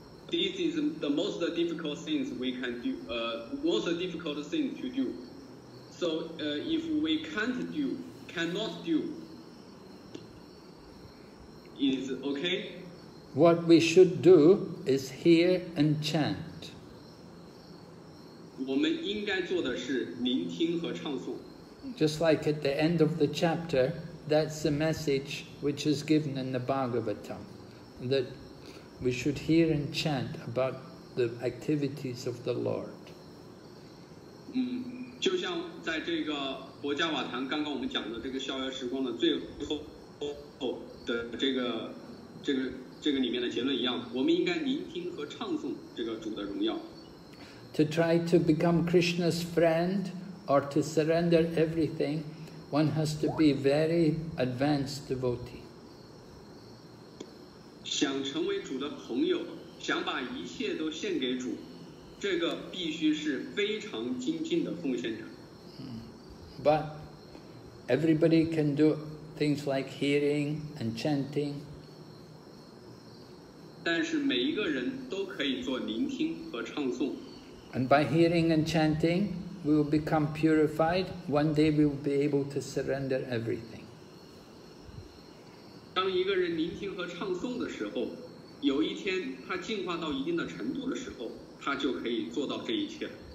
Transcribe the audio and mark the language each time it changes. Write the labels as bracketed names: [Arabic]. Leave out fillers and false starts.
[English] This is the most difficult things we can do, most difficult thing to do. So if we can't do, cannot do, is okay? What we should do is hear and chant. [Chinese] 我们应该做的是聆听和唱诵。 [English] Just like at the end of the chapter, that's the message which is given in the Bhagavatam, that we should hear and chant about the activities of the Lord. [Chinese] 就像在这个《博伽瓦坛》刚刚我们讲的这个逍遥时光的最后的这个里面的结论一样，我们应该聆听和唱诵这个主的荣耀。 [English] To try to become Krishna's friend. Or to surrender everything, one has to be very advanced devotee. [Chinese] 想成为主的朋友，想把一切都献给主，这个必须是非常精进的奉献者。 [English] But everybody can do things like hearing and chanting. [Chinese] 但是每一个人都可以做聆听和唱诵。 [English] And by hearing and chanting,We will become purified. One day we will be able to surrender everything. [Chinese] 当一个人聆听和唱诵的时候，有一天他进化到一定的程度的时候，他就可以做到这一切。